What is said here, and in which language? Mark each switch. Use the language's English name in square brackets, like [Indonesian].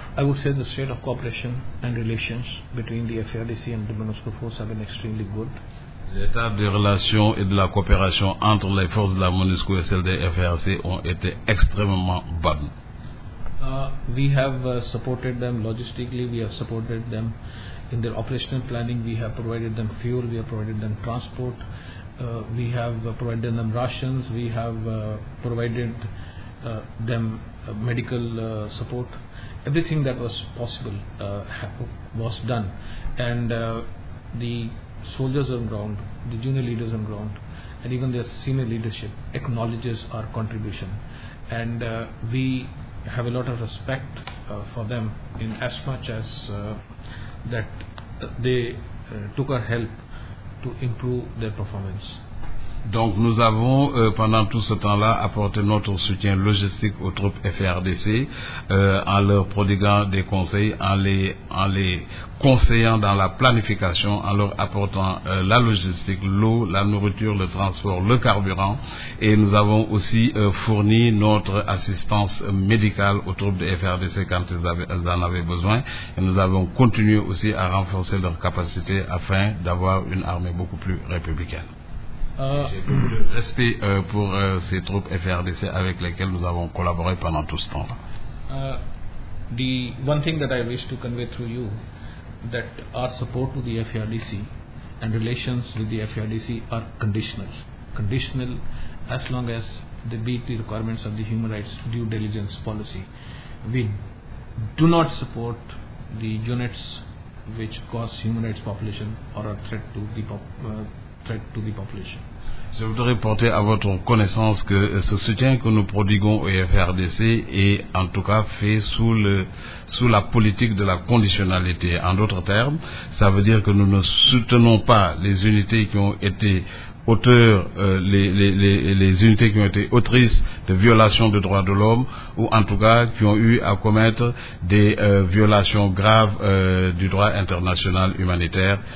[English] I would say the state of cooperation and relations between the FARDC and the MONUSCO force have been extremely good. [French] L'état de relations et de la coopération entre les forces de la MONUSCO et celles des FARDC ont été extrêmement bonnes. [English] We have supported them logistically, we have supported them in their operational planning, we have provided them fuel, we have provided them transport, we have provided them rations, we have provided them medical support. Everything that was possible was done, and the soldiers on ground, the junior leaders on ground, and even their senior leadership acknowledges our contribution, and we have a lot of respect for them, in as much as that they took our help to improve their performance. [French] Donc nous avons pendant tout ce temps-là apporté notre soutien logistique aux troupes FARDC en leur prodiguant des conseils, en les conseillant dans la planification, en leur apportant la logistique, l'eau, la nourriture, le transport, le carburant, et nous avons aussi fourni notre assistance médicale aux troupes de FARDC quand elles en avaient besoin, et nous avons continué aussi à renforcer leurs capacités afin d'avoir une armée beaucoup plus républicaine. J'ai beaucoup de respect pour ces troupes FARDC avec lesquelles nous avons collaboré pendant tout ce temps. [English] The one thing that I wish to convey through you, that our support to the FARDC and relations with the FARDC are conditional as long as they meet the requirements of the human rights due diligence policy. We do not support the units which cause human rights violation or are threat to the threat to the population. [French] Je voudrais porter à votre connaissance que ce soutien que nous prodiguons au FARDC est en tout cas fait sous la politique de la conditionnalité. En d'autres termes, ça veut dire que nous ne soutenons pas les unités qui ont été autrices de violations de droits de l'homme, ou en tout cas qui ont eu à commettre des violations graves du droit international humanitaire.